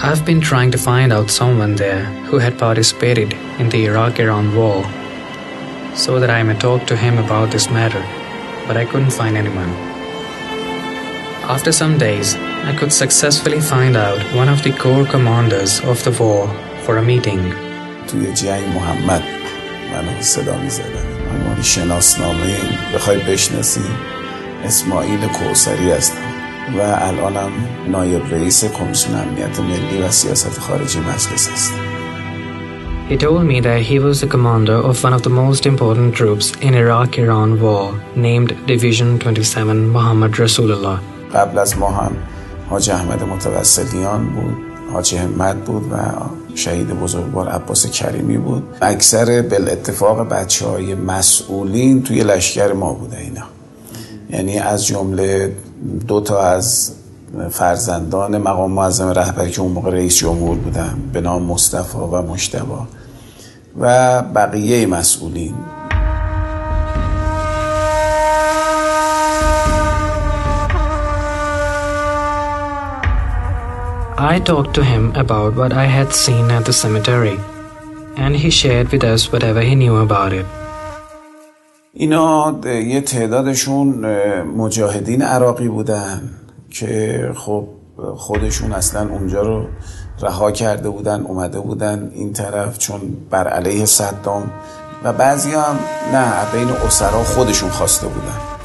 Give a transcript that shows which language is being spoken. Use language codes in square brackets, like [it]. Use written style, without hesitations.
[en] I've been trying to find out someone there who had participated in the Iraq-Iran war, so that I may talk to him about this matter, but I couldn't find anyone. After some days, I could successfully find out one of the core commanders of the war for a meeting. [fa] توی جنگ محمد منو صدا می‌زدن. من شناسنامه بخوای بشناسی اسماعیل کوثری هستم و الانم نایب رئیس کمیسیون امنیت ملی و سیاست خارجی مجلس هستم. [en] He told me that he was the commander of one of the most important troops in Iraq-Iran war named Division 27 Muhammad Rasulullah. [fa] قبل از ما هم حاج احمد متوسلیان بود، حاج همت بود و شهید بزرگوار عباس کریمی بود. اکثر بالاتفاق بچه های مسئولین توی لشکر ما بوده اینا. یعنی از جمله دو تا از فرزندان مقام معظم رهبری که اون موقع رئیس جمهور بودن به نام مصطفی و مجتبی و بقیه مسئولین. [en] I talked to him about what I had seen at the cemetery and he shared with us whatever he knew about it. [fa] اینا یه تعدادشون مجاهدین عراقی بودن که خب خودشون اصلا اونجا رو رها کرده بودن، اومده بودن این طرف چون بر علیه صدام، و بعضی هم نه، بین اسرا خودشون خواسته بودن.